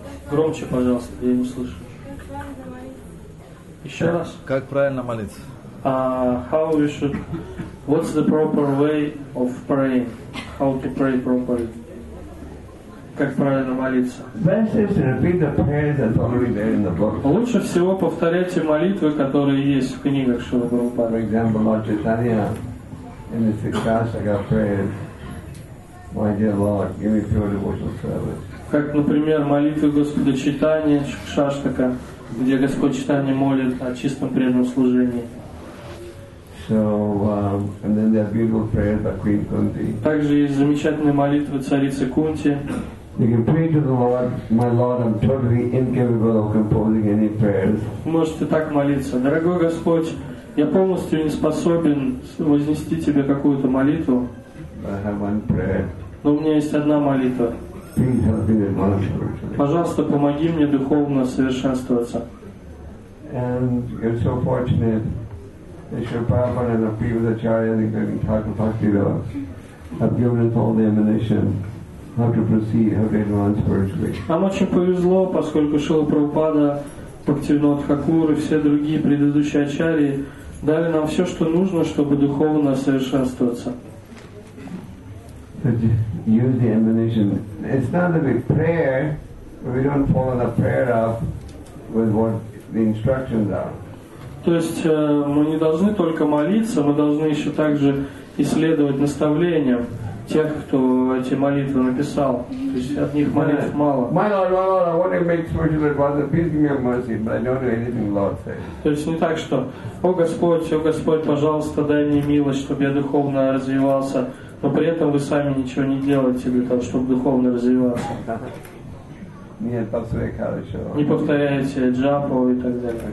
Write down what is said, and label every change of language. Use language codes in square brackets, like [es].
[ru] Громче, пожалуйста, я не слышу. Еще раз. Как правильно молиться? [en] How we should... What's the proper way of praying? How to pray properly? [ru] Как правильно молиться? [en] Best is to repeat the prayers that are already there in the book. [ru] Лучше всего повторяйте молитвы, которые есть в книгах Шрилы Прабхупады. [en] For example, Lord Chaitanya in his Ekadashika prayers, my dear Lord, give me pure devotional service. [ru] Как, например, молитвы Господа Чайтаньи Шикшаштака, где Господь Чайтанья молит о чистом преданном служении. [en] So and then there are beautiful prayers by Queen Kunti. [ru] Также есть замечательные молитвы царицы Кунти. [en] You can pray to the Lord, my Lord, I'm totally incapable of composing any prayers. [ru] Можете так молиться, дорогой Господь, я полностью не способен вознести тебе какую-то молитву. [en] I have one prayer. [ru] Но у меня есть одна молитва. [en] Please help me to master. [ru] Пожалуйста, помоги мне духовно совершенствоваться. [en] And you're so fortunate. Srila Prabhupada and a few of the acharyas, including Thakur Bhaktivedanta, have given us all the ammunition how to proceed, how to advance spiritually. [ru] Нам очень повезло, поскольку Шрила Прабхупада, Бхактивинода Такур и все другие предыдущие ачарьи дали нам все, что нужно, чтобы духовно совершенствоваться. [en] Use the ammunition. It's not that we pray, but we don't follow the prayer up with what the instructions are. [ru] То есть мы не должны только молиться, мы должны еще также исследовать наставления тех, кто эти молитвы написал. То есть от них молитв мало. [en] My Lord, my Lord, I want to make spiritual advances. Please give me your mercy, but I don't do anything, Lord says. [ru] То есть не так, что о Господь, пожалуйста, дай мне милость, чтобы я духовно развивался, но при этом вы сами ничего не делаете для того, чтобы духовно развиваться. Нет, повторяйте хорошо. Не повторяйте джапу и так далее.